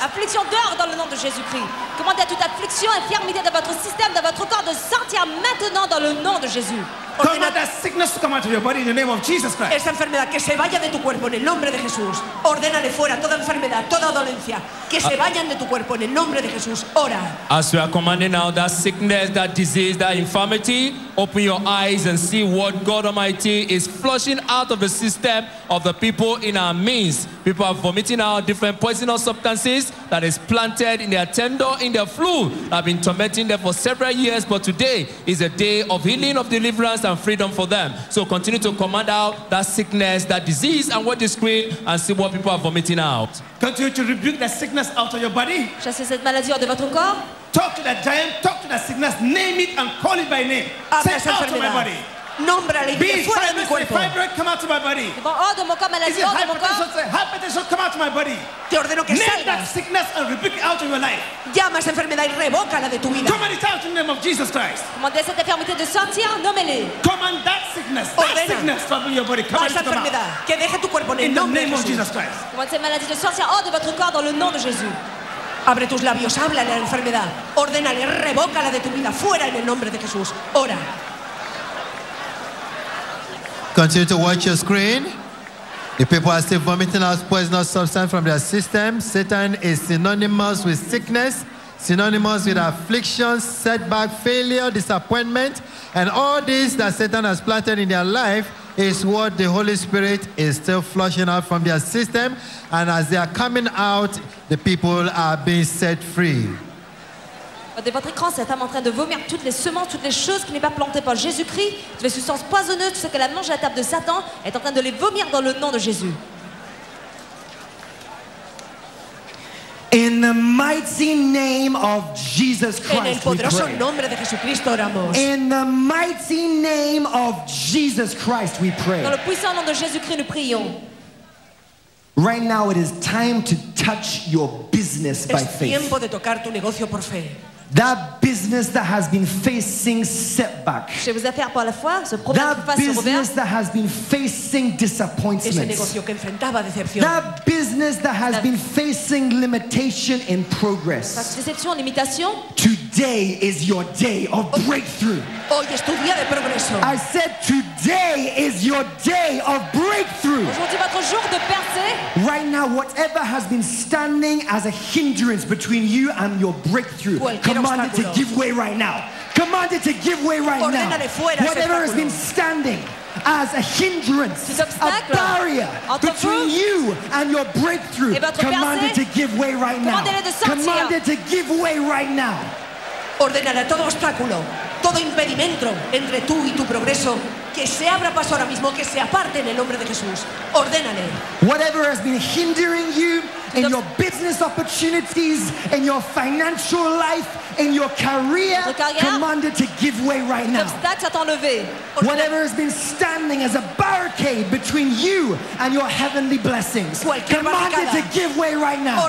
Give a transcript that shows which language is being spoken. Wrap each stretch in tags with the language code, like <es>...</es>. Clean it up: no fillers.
<fr>Affliction dehors dans le nom de Jésus-Christ. Commandez à toute affliction, infirmité de votre système, de votre corps, de sortir maintenant dans le nom de Jésus.</fr> <en>Command that sickness to come out of your body in the name of Jesus Christ.</en> <es>Esa enfermedad que se vaya de tu cuerpo en el nombre de Jesús. Ordénale fuera toda enfermedad, toda dolencia. Que se vayan de tu cuerpo en el nombre de Jesús. Ora.</es> <en>As we are commanding now that sickness, that disease, that infirmity, open your eyes and see what God Almighty is flushing out of the system of the people in our midst. People are vomiting out different poisonous substances that is planted in their tendon, in their fluid, that have been tormenting them for several years, but today is a day of healing, of deliverance, and freedom for them. So continue to command out that sickness, that disease, and what is green, and see what people are vomiting out. Continue to rebuke that sickness out of your body.</en> <fr>Chassez cette maladie hors de votre corps.</fr> <en>Talk to that giant, talk to that sickness, name it and call it by name. Say it out of my body.</en> <es>Nómbrale y fuera de mi cuerpo.</es> <en>Fibroid, come out of my body.</en> <fr>Oh, de mon corps, maladie, oh, de mon corps.</fr> <en>Hypertension, come out of my body.</en> <es>Te ordeno que</es> <en>name</en> <es>salgas.</es> <en>Name that sickness and rebuke it out of your life.</en> <es>Llama esa enfermedad y revócala de tu vida.</es> <en>Command it out in the name of Jesus Christ.</en> <es>Comandé esa enfermedad de sortir, nómele.</es> <en>Command that sickness, that sickness from your body. Come out.</en> <es>Esa enfermedad que deje tu cuerpo en el nombre de Jesus Christ. Comandé esa</es> <fr>maladie de sortir, oh, de votre corps, dans le nom de Jésus.</fr> <es>Abre tus labios, háblale a la enfermedad. Ordénale, revócala de tu vida, fuera en el nombre de Jesús. Ora.</es> <en>Continue to watch your screen. The people are still vomiting out poisonous substance from their system. Satan is synonymous with sickness, synonymous with affliction, setback, failure, disappointment. And all this that Satan has planted in their life is what the Holy Spirit is still flushing out from their system. And as they are coming out, the people are being set free.</en> <fr>De votre écran, cette femme en train de vomir toutes les semences, toutes les choses qui n'est pas plantées par Jésus-Christ, toutes les substances poisonneuses, tout ce qu'elle a mangé à la table de Satan, est en train de les vomir dans le nom de Jésus.</fr> <en>In the mighty name of Jesus Christ,</en> <es>en el poderoso nombre de oramos.</es> <en>In the mighty name of Jesus Christ, we pray.</en> <fr>Dans le puissant nom de Jésus-Christ, nous prions.</fr> <en>Right now, it is time to touch your business by faith.</en> <es>Es tiempo de tocar tu negocio por fe.</es> <en>That business that has been facing setback.</en> <fr>Chez vos affaires pour la foi, ce problème</fr> <en>that business that has been facing disappointment.</en> <es>Ese negocio que enfrentaba decepción.</es> <en>That business that has been facing limitation in progress.</en> <fr>La déception, limitation.</fr> <en>Today Today is your day of breakthrough.</en> <es>Hoy es tu día de progreso.</es> <en>I said today is your day of breakthrough.</en> <fr>Aujourd'hui votre jour de percée.</fr> <en>Right now, whatever has been standing as a hindrance between you and your breakthrough, command it to give way right now. Command it to give way right now. Whatever has been standing as a hindrance, a barrier between you and your breakthrough, command it to give way right now. Command it to give way right now.</en> <es>Ordenaré todo obstáculo, todo impedimento entre tú y tu progreso, que se abra paso ahora mismo, que se aparte en el nombre de Jesús. Ordénale.</es> <en>Whatever has been hindering you in your business opportunities, in your financial life, in your career, command it to give way right now. Whatever has been standing as a barricade between you and your heavenly blessings, command it to give way right now.</en>